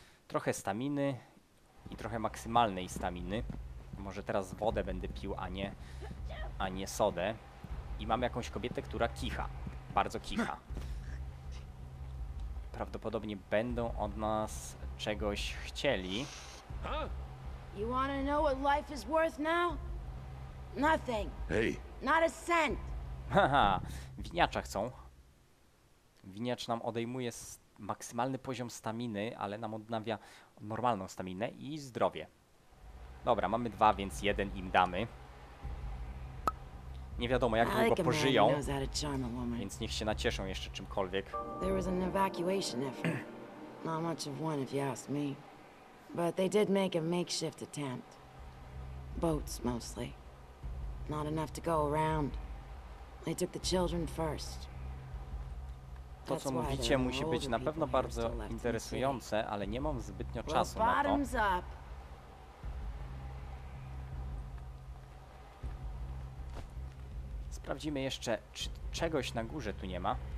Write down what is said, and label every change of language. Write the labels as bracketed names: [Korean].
[Polish] Trochę staminy i trochę maksymalnej staminy. Może teraz wodę będę pił, a nie sodę. I mam jakąś kobietę, która kicha, bardzo kicha. Prawdopodobnie będą od nas czegoś chcieli. [English] You wanna know what life is worth now? Nothing. Hey. Not a cent. Haha, [Polish] winiacza chcą. Winiacz nam odejmuje maksymalny poziom staminy, ale nam odnawia normalną staminę i zdrowie. Dobra, mamy dwa, więc jeden im damy. Nie wiadomo, jak długo pożyją, więc niech się nacieszą jeszcze czymkolwiek. [English] There was an evacuation effort. Not much of one, if you ask me. But they did make a makeshift attempt. Boats, mostly. Not enough to go around. They took the children first. [Polish] To, co mówicie, musi być na pewno bardzo interesujące, ale nie mam zbytnio czasu na to. Sprawdzimy jeszcze, czy czegoś na górze tu nie ma.